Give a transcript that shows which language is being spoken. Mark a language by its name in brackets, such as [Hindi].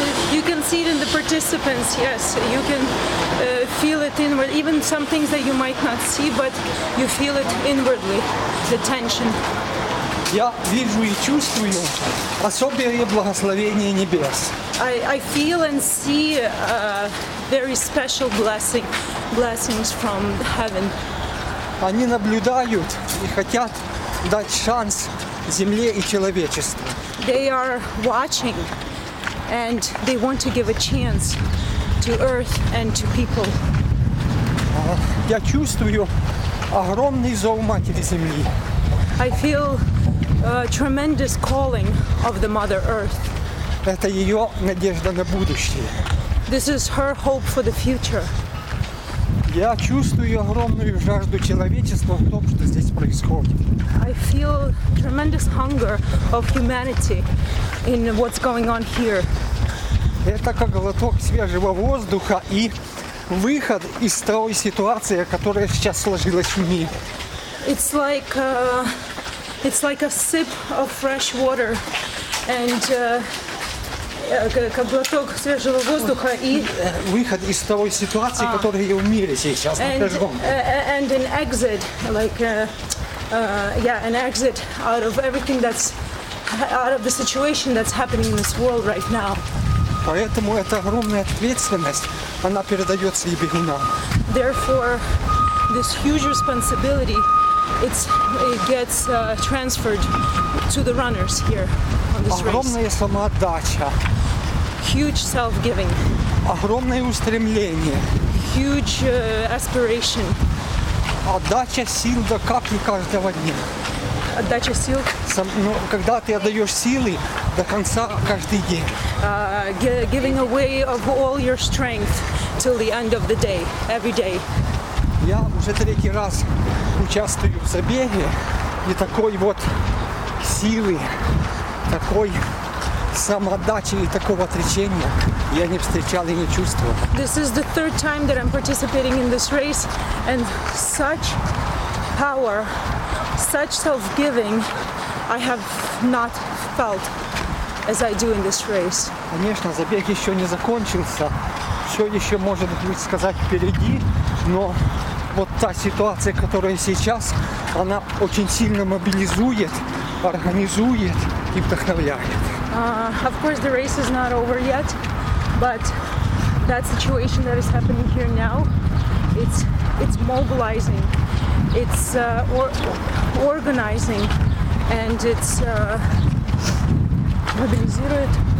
[English] You can see it in the participants, yes. You can feel it inward, even some things that you might not see, but you feel it inwardly, the tension. [Russian] Я вижу и чувствую особое благословение небес. [English] I feel and see very special blessings from heaven. [Russian] Они наблюдают и хотят дать шанс земле и человечеству. [English] They are watching and they want to give a chance to earth and to people. [Russian] Я чувствую огромный зов матери земли. [English] I feel a tremendous calling of the Mother Earth. [Russian] Это её надежда на будущее. [English] This is her hope for the future. [Russian] Я чувствую огромную жажду человечества в том, что здесь происходит. [English] I feel tremendous hunger of humanity in what's going on here. [Russian] Это как глоток свежего воздуха и выход из той ситуации, которая сейчас сложилась в мире. [English] It's like a sip of fresh water and [Russian] глоток свежего воздуха и выход из той ситуации, которая в мире сейчас напряжённая. [English] And an exit, like an exit out of everything that's out of the situation that's happening in this world right now. [Russian] Поэтому эта огромная ответственность, она передаётся и бегунам. [English] Therefore, this huge responsibility, it gets transferred to the runners here on this race. [Russian] Огромная самоотдача. [English] Huge self-giving. [Russian] Огромное устремление. [English] Huge aspiration. [Russian] Отдача сил до капли каждого дня. Отдача сил. Когда ты отдаешь силы до конца каждый день. [English] Giving away of all your strength till the end of the day, every day. [Russian] Я уже третий раз участвую в забеге, и такой вот силы, такой самоотдачи и такого отречения я не встречал и не чувствовал. [English] This is the third time that I'm participating in this race, and such power, such self-giving I have not felt as I do in this race. [Russian] Конечно, забег еще не закончился, все еще, может быть, сказать впереди, но вот та ситуация, которая сейчас, она очень сильно мобилизует, организует и вдохновляет. [English] Of course, the race is not over yet, but that situation that is happening here now, it's mobilizing, it's organizing, and it's [Russian] мобилизирует,